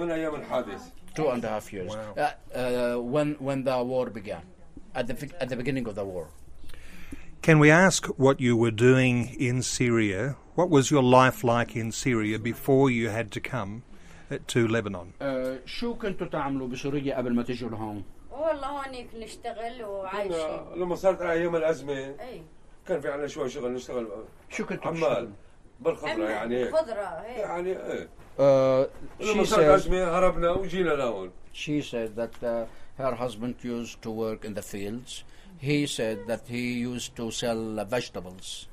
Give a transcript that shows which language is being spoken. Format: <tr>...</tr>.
<ar>من أيام الحادث.</ar> <en>Two and a half years. Wow. When the war began, at the beginning of the war. Can we ask what you were doing in Syria? What was your life like in Syria before you had to come to Lebanon?</en> <ar>شو كنتوا تعملوا بسوريا قبل ما تجوا لهون؟ والله هون نشتغل وعايشين. لما صارت ايام الازمه اي كان في عنا شوي شغل نشتغل. شو كنتوا عمال بالخضره يعني خضره ايه يعني ايه. لما صارت ازمه هربنا وجينا لهون.</ar> <en>She said that her husband used to work in the fields. He said that he used to sell vegetables.</en>